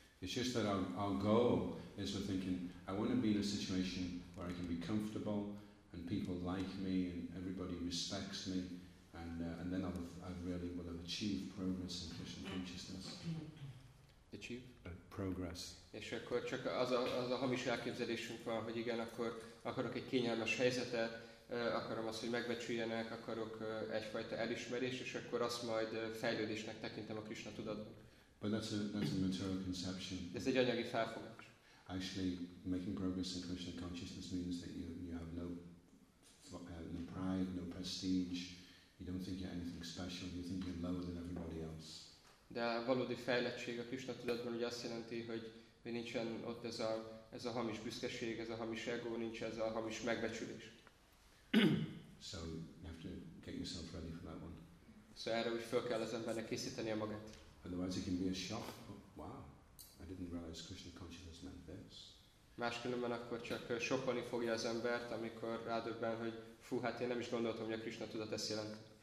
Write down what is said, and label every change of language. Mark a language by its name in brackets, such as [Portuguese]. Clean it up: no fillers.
[English] It's just that our goal is for thinking, I want to be in a situation where I can be comfortable and people like me and everybody respects me and then I really will have achieved progress in Krishna consciousness. Achieve? Progress. [Hungarian] És akkor csak az a hamis elképzelésünk van, hogy igen, akkor akarok egy kényelmes helyzetet, akarom azt, hogy megbecsüljenek, akarok egyfajta elismerést, és akkor azt majd fejlődésnek tekintem a Krishna tudatban. [English] But that's a material conception. [Hungarian] Ez egy anyagi felfogás. [English] Actually, making progress in Krishna consciousness means that you have no pride, no prestige. You don't think you're anything special. You think you're lower than everybody else. [Hungarian] De a valódi fejlettség a Krishna tudatban ugye azt jelenti, hogy nincsen ott ez a hamis büszkeség, ez a hamis ego, nincs ez a hamis megbecsülés. [English] So you have to get yourself ready for that one. [Hungarian] So erre úgy fel kell az embernek készíteni a magát. [English] Otherwise it can be a shock, wow, I didn't realize Krishna consciousness meant this. [Hungarian] Máskülönben akkor csak sokkolni fogja az embert, amikor rádöbben, hogy fú, hát én nem is gondoltam, hogy a Krishna tudat ezt jelent.